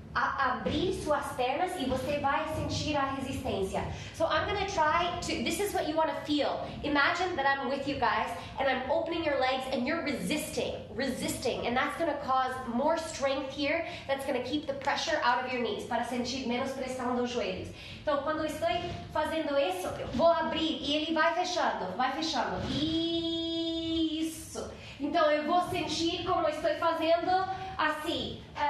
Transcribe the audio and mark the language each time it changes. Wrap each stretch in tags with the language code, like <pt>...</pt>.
<pt>abrir suas pernas e você vai sentir a resistência.</pt> <en>So I'm going to try to, this is what you want to feel. Imagine that I'm with you guys and I'm opening your legs and you're resisting. And that's going to cause more strength here. That's going to keep the pressure out of your knees.</en> <pt>Para sentir menos pressão dos joelhos. Então, quando estou fazendo isso, vou abrir e ele vai fechando. Isso. Então, eu vou sentir como estou fazendo assim.</pt>